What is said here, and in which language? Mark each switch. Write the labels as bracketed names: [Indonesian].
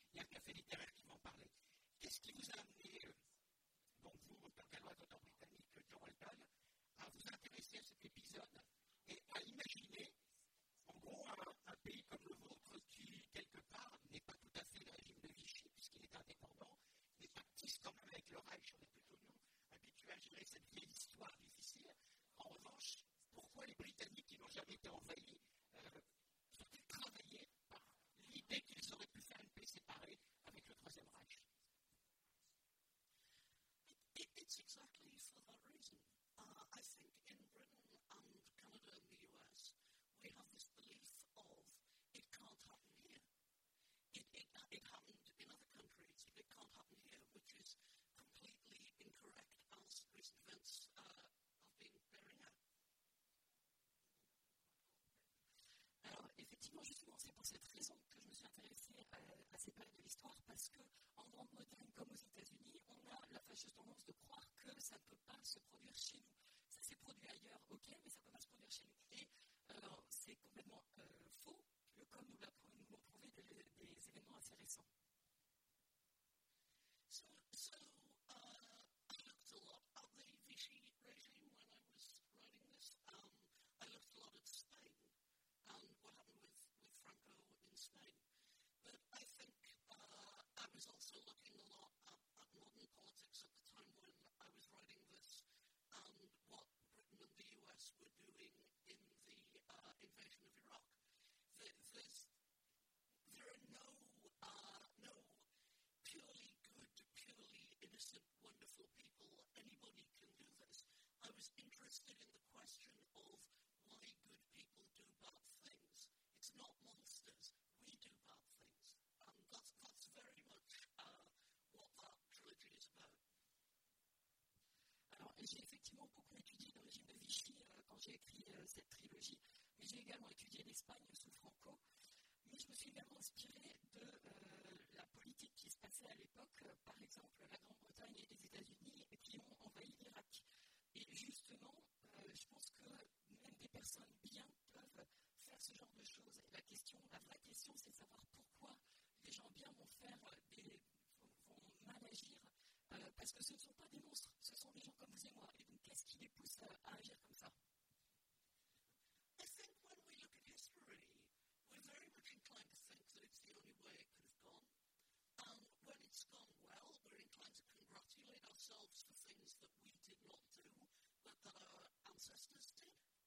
[French] Il y a un café littéraire qui m'en parlait. Qu'est-ce qui vous a amené, donc vous, autant galloise, autant britannique, John Walton, à vous intéresser à cet épisode et à imaginer, en gros, un pays comme le vôtre qui, quelque part, n'est pas tout à fait le régime de Vichy, puisqu'il est indépendant, mais pactise quand même avec le Reich, on est plutôt nous habitués à gérer cette vieille histoire difficile. En revanche, pourquoi les Britanniques qui n'ont jamais été envahis sont-ils travaillés par l'idée qu'ils auraient pu faire une paix séparée avec le Troisième Reich? [English] It's exactly for that reason. I think in Britain and Canada and the US, we have this belief of it can't happen here. It happened in other countries, but it can't happen here, which is completely incorrect as recent events have been bearing out. [French] Alors, effectivement, justement, c'est pour cette raison que je me suis intéressée à ces périodes de l'histoire, parce qu'en Grande-Bretagne, comme aux États-Unis, on a la fâcheuse tendance de croire que ça ne peut pas se produire chez nous. Ça s'est produit ailleurs, ok, mais ça ne peut pas se produire chez nous. Et c'est complètement faux, comme nous l'ont prouvé des événements assez récents. [English] So, I looked a lot at the Vichy regime when I was writing this. I looked a lot at Spain. And what happened with Franco in Spain. But I think I was also looking a lot at modern politics at the time when I was writing this and what Britain and the US were doing in the invasion of Iraq. There are no purely good, purely innocent, wonderful people. Anybody can do this. I was interested in the question of why good people do bad things. It's not monsters. We do bad things. And that's very much what that trilogy is about. [French] Alors, j'ai effectivement beaucoup étudié le régime de Vichy quand j'ai écrit cette trilogie, mais j'ai également étudié l'Espagne sous Franco. Mais je me suis également inspirée de la politique qui se passait à l'époque, par exemple la Grande-Bretagne et les États-Unis, qui ont envahi l'Irak. Et justement, je pense que même des personnes bien peuvent faire ce genre de choses. Et la vraie question, c'est de savoir pourquoi les gens bien vont mal agir. Parce que ce ne sont pas des monstres, ce sont des gens comme vous et moi. Et donc, qu'est-ce qui les pousse à agir comme ça? [English] I think when we look at history, we're very much inclined to think that it's the only way it could have gone. And when it's gone well, we're inclined to congratulate ourselves for things that we did not do, but that our ancestors did.